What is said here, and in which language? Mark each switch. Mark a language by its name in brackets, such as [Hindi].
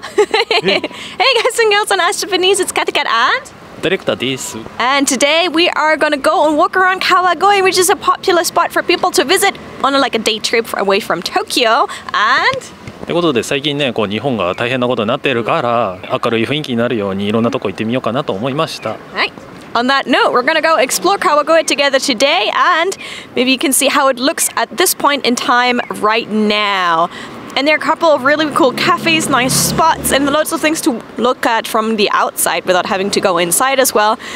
[English] Hey guys and girls on Ask Japanese, it's Cathy Cat and [Japanese] Director です。 [English] And today we are gonna go and walk around Kawagoe, which is a popular spot for people to visit on like a day trip away from Tokyo. And [Japanese] ってことで最近ね、こう日本が大変なことになっているから、明るい雰囲気になるようにいろんなとこ行ってみようかなと思いました。はい。 [English] On that note, we're gonna go explore Kawagoe together today, and maybe you can see how it looks at this point in time right now. And there are a couple of really cool cafes, nice spots, and lots of things to look at from the outside without having to go inside as well.